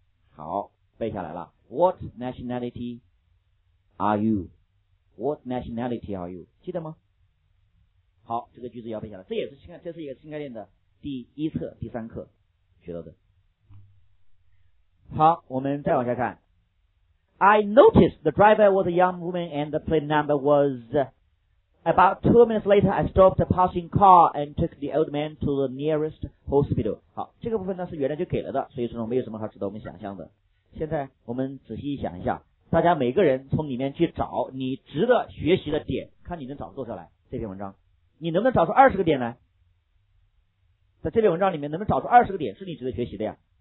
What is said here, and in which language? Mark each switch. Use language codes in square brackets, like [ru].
[zh] 好，背下来了。 [en] What nationality are you? What nationality are you? [zh] 记得吗？好，这个句子要背下来。这也是新概，这是一个新概念的第一册第三课学到的。好，我们再往下看。 [en] I noticed the driver was a young woman and the plate number was about 2 minutes later. I stopped a passing car and took the old man to the nearest hospital. [zh] 好，这个部分呢是原来就给了的，所以说没有什么好值得我们想象的。现在我们仔细想一下，大家每个人从里面去找你值得学习的点，看你能找多少来。这篇文章你能不能找出20个点来？在这篇文章里面能不能找出20个点是你值得学习的呀？